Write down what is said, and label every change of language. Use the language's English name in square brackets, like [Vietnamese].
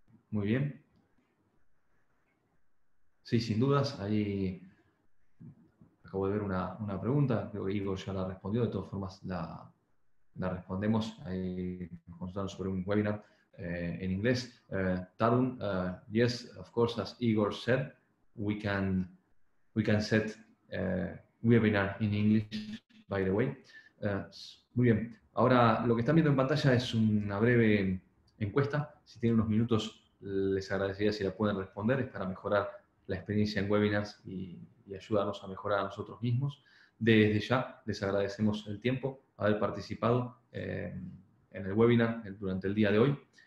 [Spanish] Muy bien. Sí, sin dudas, ahí acabo de ver una pregunta. Creo que Igor ya la respondió, de todas formas la respondemos. Ahí nos consultaron sobre un webinar. [English] In English, Tarun, yes, of course, as Igor said, we can set webinar in English, by the way. [Spanish] Muy bien, ahora lo que están viendo en pantalla es una breve encuesta. Si tienen unos minutos, les agradecería si la pueden responder. Es para mejorar la experiencia en webinars y ayudarnos a mejorar a nosotros mismos. Desde ya, les agradecemos el tiempo, haber participado en el webinar durante el día de hoy.